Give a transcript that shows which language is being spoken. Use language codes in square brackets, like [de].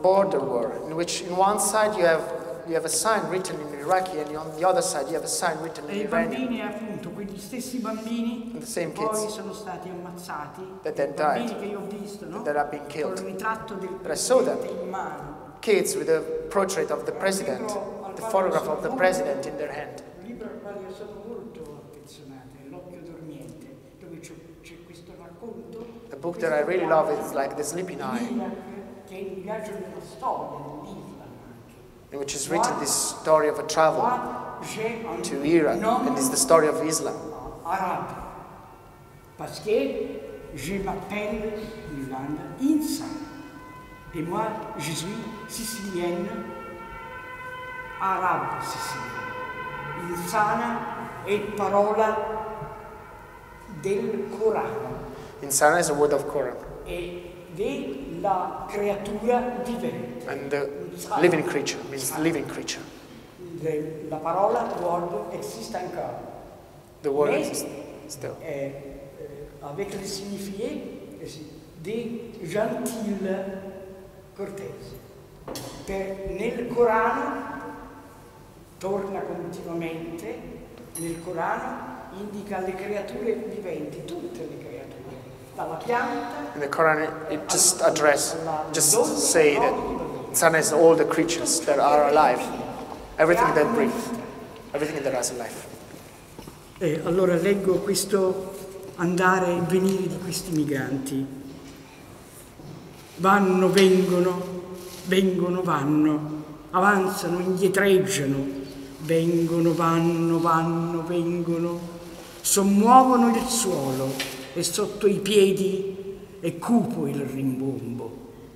[en] Border war, in which in one side you have a sign written in Iraqi and on the other side you have a sign written in Iranian. [it] E i bambini, appunto, quegli stessi bambini poi sono stati ammazzati. [en] That then [it] bambini [en] died. [it] Che io ho visto, no? [en] That have been killed. [it] Con il ritratto del presidente in mano. [en] Kids with a portrait of the president, the photograph of the president in their hand. [it] Un libro al quale sono molto affezionato, L'occhio dormiente, dove c'è questo racconto. [en] A book that I really love is like The Sleeping Eye. [it] Che è il viaggio della storia. [en] Which is written this story of a travel to Iran, and it's the story of Islam. [fr] Arab, parce que je m'appelle Jolanda Insana, et moi je suis sicilienne, arabe sicilienne. [it] Insana è parola del Corano. [en] Insana is a word of Quran. [it] E de la creatura vivente. [en] And the living creature means living creature. [it] La parola word esiste ancora. [en] The word exists still. [fr] Avec le signifié, [it] di gentil cortese. Per, nel Corano torna continuamente, nel Corano indica le creature viventi, tutte le creature, dalla pianta. [en] In the Quran it just address, just say that Insana is all the creatures that are alive, everything that breathes, everything that has life. [it] Allora leggo questo andare e venire di questi migranti. Vanno, vengono, vengono, vanno, avanzano, indietreggiano, vengono, vanno, vanno, vengono, sommuovono il suolo e sotto i piedi è cupo il rimbombo.